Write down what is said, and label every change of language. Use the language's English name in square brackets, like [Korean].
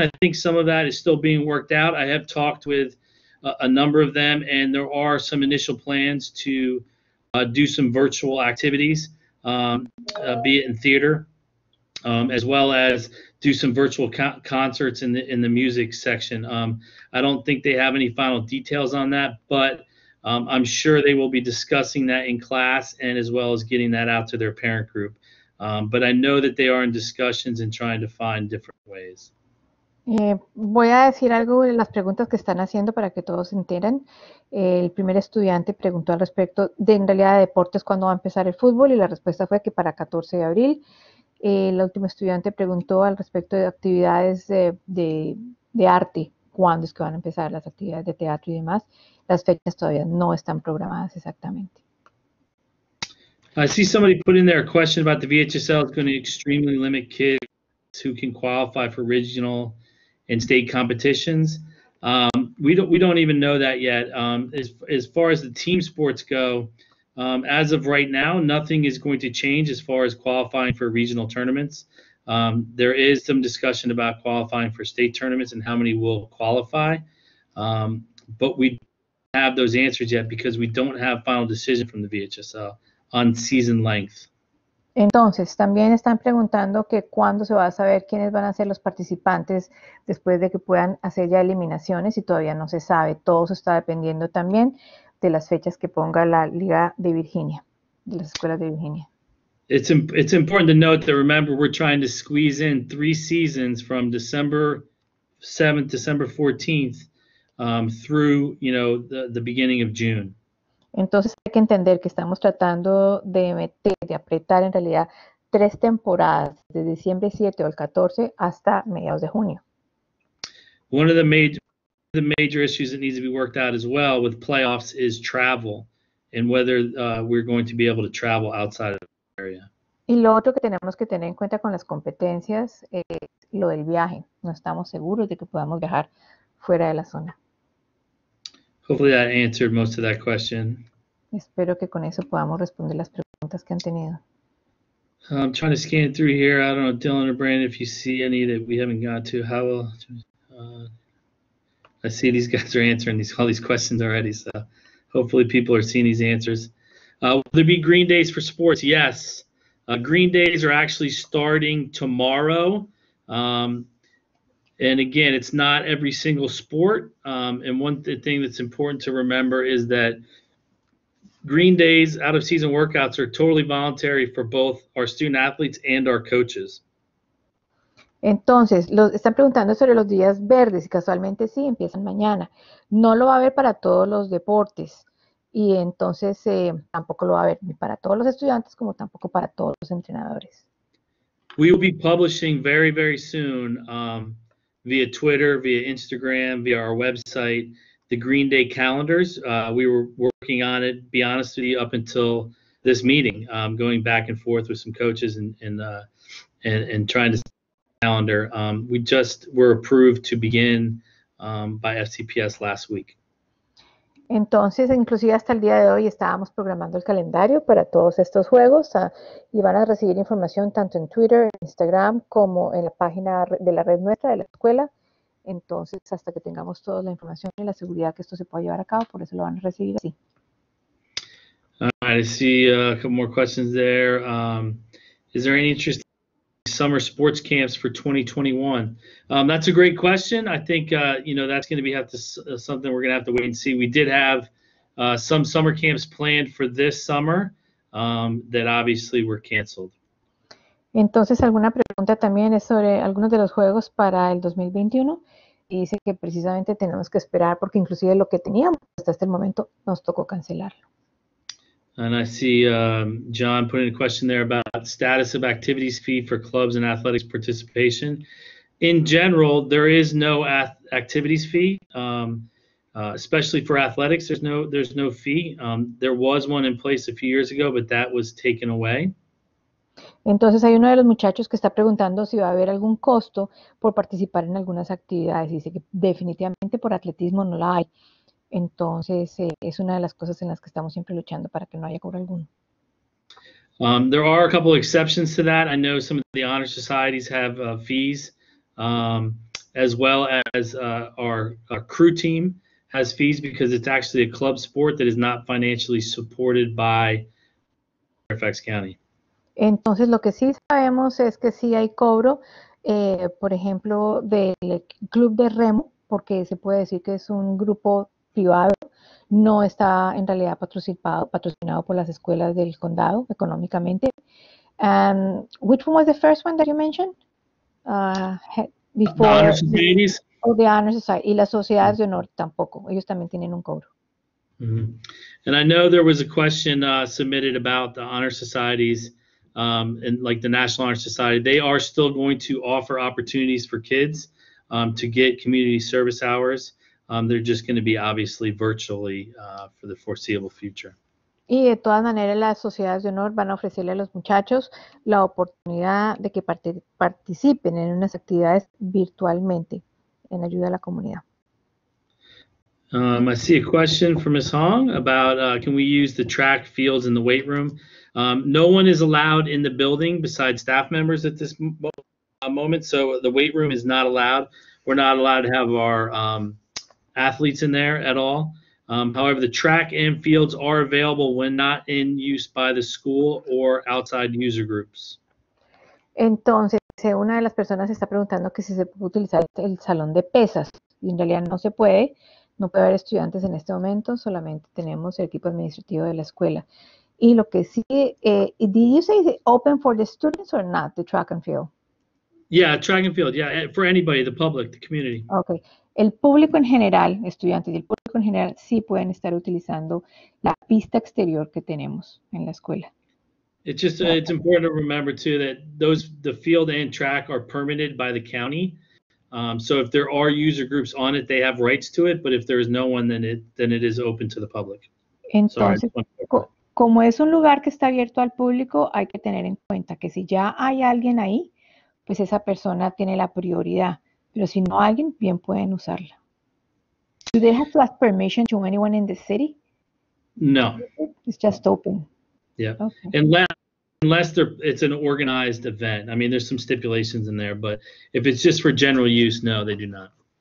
[English] I think some of that is still being worked out. I have talked with a number of them, and there are some initial plans to do some virtual activities, be it in theater, as well as do some virtual concerts in the music section. I don't think they have any final details on that, but I'm sure they will be discussing that in class and as well as getting that out to their parent group. But I know that they are in discussions and trying to find different ways. [Spanish] Voy a decir algo de las preguntas que están haciendo para que todos se enteren. El primer estudiante preguntó al respecto de, en realidad, de deportes, cuándo va a empezar el fútbol, y la respuesta fue que para 14 de abril. El último estudiante preguntó al respecto de actividades de arte, cuándo es que van a empezar las actividades de teatro y demás. Las fechas todavía no están programadas exactamente. [English] I see somebody put in there a question about the VHSL is going to extremely limit kids who can qualify for regional and state competitions. We don't even know that yet. As far as the team sports go, as of right now, nothing is going to change as far as qualifying for regional tournaments. There is some discussion about qualifying for state tournaments and how many will qualify, but we don't have those answers yet because we don't have final decision from the VHSL on season length. [Spanish] Entonces, también están preguntando que cuándo se va a saber quiénes van a ser los participantes después de que puedan hacer ya eliminaciones, y todavía no se sabe. Todo eso está dependiendo también de las fechas que ponga la Liga de Virginia, de las escuelas de Virginia. [English] It's important to note that, remember, we're trying to squeeze in three seasons from December 7th, December 14th, through, you know, the beginning of June. [Spanish] Entonces hay que entender que estamos tratando de meter, de apretar en realidad tres temporadas, de diciembre 7 o el 14 hasta mediados de junio. [English] One of the major issues that needs to be worked out as well with playoffs is travel and whether we're going to be able to travel outside of the area. [Spanish] Y lo otro que tenemos que tener en cuenta con las competencias es lo del viaje. No estamos seguros de que podamos viajar fuera de la zona. [English] Hopefully that answered most of that question. [Spanish] Espero que con eso podamos responder las preguntas que han tenido. [English] I'm trying to scan through here. I don't know, Dylan or Brandon, if you see any that we haven't got to. How will I see these guys are answering all these questions already, so hopefully people are seeing these answers. Will there be green days for sports? Yes. Green days are actually starting tomorrow. And again, it's not every single sport. And one thing that's important to remember is that green days, out of season workouts, are totally voluntary for both our student athletes and our coaches. [Spanish] Entonces, están preguntando sobre los días verdes, y casualmente sí, empiezan mañana. No lo va a haber para todos los deportes, y entonces tampoco lo va a haber ni para todos los estudiantes, como tampoco para todos los entrenadores. [English] We will be publishing very, very soon, via Twitter, via Instagram, via our website, the Green Day calendars. We were working on it, be honest with you, up until this meeting, going back and forth with some coaches and trying to calendar. We just were approved to begin by FCPS last week. [Spanish] Entonces, inclusive hasta el día de hoy estábamos programando el calendario para todos estos juegos, y van a recibir información tanto en Twitter, Instagram, como en la página de la red nuestra de la escuela. Entonces, hasta que tengamos toda la información y la seguridad que esto se pueda llevar a cabo, por eso lo van a recibir así. [English] All right, I see a couple more questions there. Is there any interest in summer sports camps for 2021? That's a great question. I think, you know, that's going to be something we're going to have to wait and see. We did have some summer camps planned for this summer that obviously were canceled. [Spanish] Entonces, alguna pregunta también es sobre algunos de los juegos para el 2021. Y dice que precisamente tenemos que esperar porque inclusive lo que teníamos hasta este momento nos tocó cancelarlo. [English] And I see John putting a question there about status of activities fee for clubs and athletics participation. In general, there is no activities fee, especially for athletics. There's no fee. There was one in place a few years ago, but that was taken away. [Spanish] Entonces, hay uno de los muchachos que está preguntando si va a haber algún costo por participar en algunas actividades. Dice que definitivamente por atletismo no la hay. Entonces, es una de las cosas en las que estamos siempre luchando para que no haya cobro alguno. [English] There are a couple of exceptions to that. I know some of the honor societies have fees, as well as our crew team has fees because it's actually a club sport that is not financially supported by Fairfax County. [Spanish] Entonces, lo que sí sabemos es que sí hay cobro, por ejemplo, del club de remo, porque se puede decir que es un grupo privado, no está en realidad patrocinado por las escuelas del condado económicamente. [English] Which one was the first one that you mentioned? Before, the Honor Society. Oh, the Honor Society. [Spanish] Y las sociedades de honor tampoco, ellos también tienen un cobro. Mm-hmm. [English] And I know there was a question submitted about the Honor Societies, and like the National Honor Society, they are still going to offer opportunities for kids to get community service hours. They're just going to be obviously virtually for the foreseeable future. [Spanish] Y de todas maneras, las sociedades de honor van a ofrecerle a los muchachos la oportunidad de que participen en unas actividades virtualmente en ayuda a la comunidad. [English] I see a question from Ms. Hong about can we use the track fields in the weight room? No one is allowed in the building besides staff members at this moment, so the weight room is not allowed. We're not allowed to have our athletes in there at all. However, the track and fields are available when not in use by the school or outside user groups. [Spanish] Entonces, una de las personas está preguntando que si se puede utilizar el salón de pesas. Y en realidad no se puede. No puede haber estudiantes en este momento. Solamente tenemos el equipo administrativo de la escuela. Y lo que sí, [English] did you say open for the students or not, the track and field? Yeah, track and field, yeah, for anybody, the public, the community. Okay. [Spanish] El público en general, estudiantes y el público en general, sí pueden estar utilizando la pista exterior que tenemos en la escuela. [English] It's just, it's important to remember too that those, the field and track are permitted by the county. So if there are user groups on it, they have rights to it, but if there is no one, then it is open to the public. [Spanish] Entonces, como es un lugar que está abierto al público, hay que tener en cuenta que si ya hay alguien ahí, pues esa persona tiene la prioridad. Pero si no alguien, bien pueden usarla. [English] Do they have to ask permission to anyone in the city? No. It's just open. Yeah. Okay. Unless it's an organized event. I mean, there's some stipulations in there, but if it's just for general use, no, they do not.